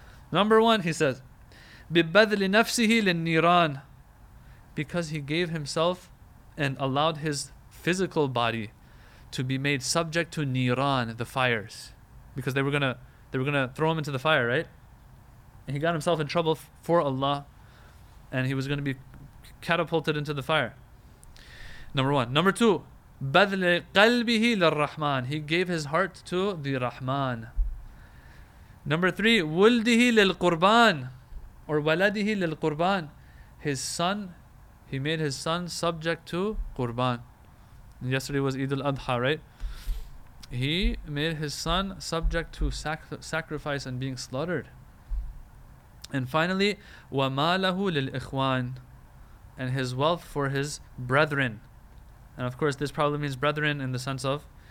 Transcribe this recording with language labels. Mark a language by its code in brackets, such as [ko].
[en] Number one, he says, [ar] بِبَذْلِ نَفْسِهِ لِلنِّيرَانِ, [en] because he gave himself and allowed his physical body to be made subject to Niran, the fires, because they were gonna throw him into the fire, right? And he got himself in trouble for Allah, and he was gonna be catapulted into the fire. Number one. Number two, [ar] بذل قلبه للرحمن. [en] He gave his heart to the Rahman. Number three, [ar] ولده للقربان, or ولده للقربان. [en] His son, he made his son subject to قربان. Yesterday was Eid al-Adha, right? He made his son subject to sacrifice and being slaughtered. And finally, [ar] وَمَا لَهُ لِلْإِخْوَانِ, [en] and his wealth for his brethren. And of course, this probably means brethren in the sense of